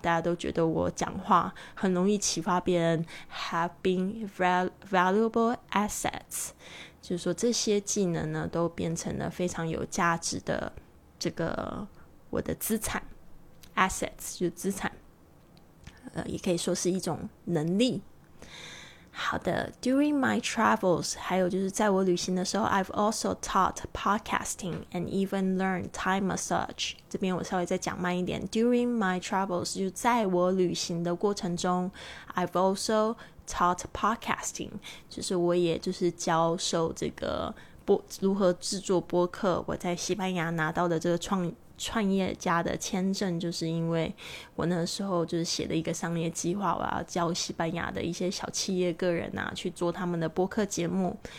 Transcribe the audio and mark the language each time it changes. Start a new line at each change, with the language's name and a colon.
Chinese: 大家都觉得我讲话很容易启发别人，
English: have been valuable assets，
Chinese: 就是说这些技能呢都变成了非常有价值的这个我的资产， assets 就是资产，也可以说是一种能力。好的，
English: during my travels，
Chinese: 还有就是在我旅行的时候，
English: I've also taught podcasting and even learned Thai massage。
Chinese: 这边我稍微再讲慢一点，
English: during my travels
Chinese: 就在我旅行的过程中，
English: I've also taught podcasting，
Chinese: 就是我也就是教授这个如何制作播客。我在西班牙拿到的这个创业家的签证，就是因为我那时候就是写了一个商业计划，我要教西班牙的一些小企业个人啊去做他们的播客节目。